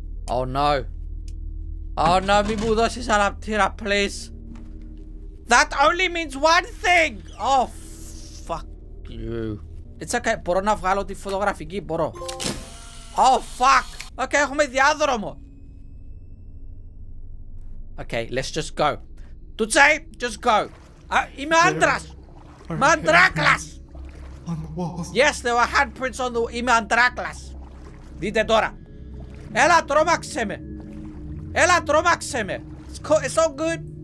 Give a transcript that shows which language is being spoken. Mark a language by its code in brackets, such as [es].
[en] Oh no! Oh no! [el] Μη μου δώσεις αναπτήρα, [en] please. That only means one thing! Oh, fuck you. It's okay, [el] μπορώ να βγάλω τη φωτογραφική, μπορώ. [en] Oh, fuck! [el] Okay, έχουμε διάδρομο. [en] Okay, let's just go. Τουτσέ, just go. [el] Είμαι άντρας! Είμαι αντράκλας! [en] On the walls. Yes, there were handprints on the wall. [el] Είμαι αντράκλας. Δείτε τώρα. Έλα, τρόμαξέ με. Έλα, τρόμαξέ με. [en] It's all good.